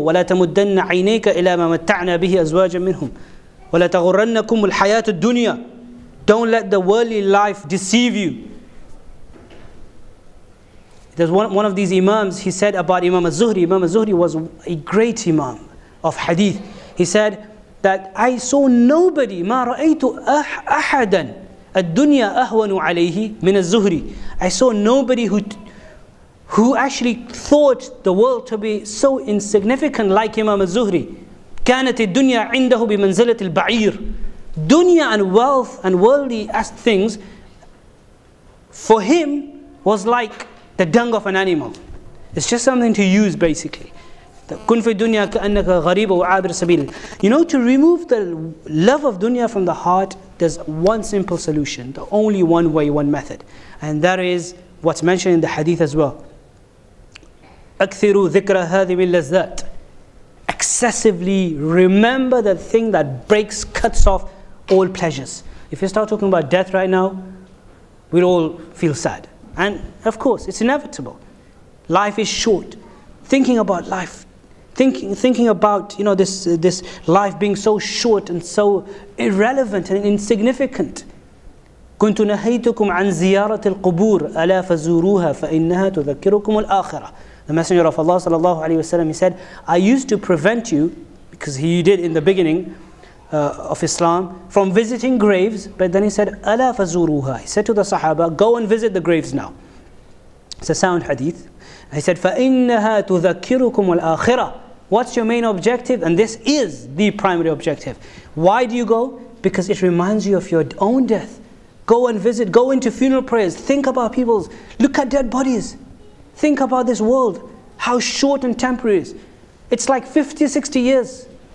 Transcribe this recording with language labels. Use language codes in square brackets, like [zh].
[ar] وَلَا تَمُدَّنَّ عَيْنَيْكَ إِلَىٰ مَا مَتَّعْنَا بِهِ أَزْوَاجًا مِنْهُمْ وَلَا تَغُرَّنَّكُمُ الْحَيَاةُ الدُّنْيَا. [en] Don't let the worldly life deceive you. There's one of these imams, he said about Imam al-Zuhri. Imam al-Zuhri was a great imam of hadith. He said that I saw nobody, [ar] ما رأيت أحدا الدنيا أهون عليه من الزهري. [en] I saw nobody who actually thought the world to be so insignificant like Imam al-Zuhri. [ar] كانت الدنيا عنده بمنزلة البعير. [en] Dunya and wealth and worldly things for him was like the dung of an animal. It's just something to use basically. [ar] كن في الدنيا كأنك غريب وعابر سبيل. [en] You know, to remove the love of dunya from the heart, there's one simple solution, the only one way, one method. And that is what's mentioned in the hadith as well. [ar] أكثروا ذكر هذه اللذات. [en] Excessively remember the thing that breaks, cuts off all pleasures. If you start talking about death right now, we'll all feel sad. And of course, it's inevitable. Life is short. Thinking about life, thinking about, you know, this life being so short and so irrelevant and insignificant. [ar] كنت نهيتكم عن زيارة القبور ألا فزوروها فإنها تذكركم الآخرة. [en] The Messenger of Allah sallallahu alaihi wasallam, he said, I used to prevent you, because he did in the beginning of Islam, from visiting graves, but then he said, [ar] أَلَا فَزُورُوهَا. [en] He said to the Sahaba, go and visit the graves now. It's a sound hadith. He said, [ar] فَإِنَّهَا تُذَكِّرُكُمُ الْآخِرَةِ. [en] What's your main objective? And this is the primary objective. Why do you go? Because it reminds you of your own death. Go and visit, go into funeral prayers, think about people's, look at dead bodies. Think about this world, how short and temporary it is. It's like 50, 60 years.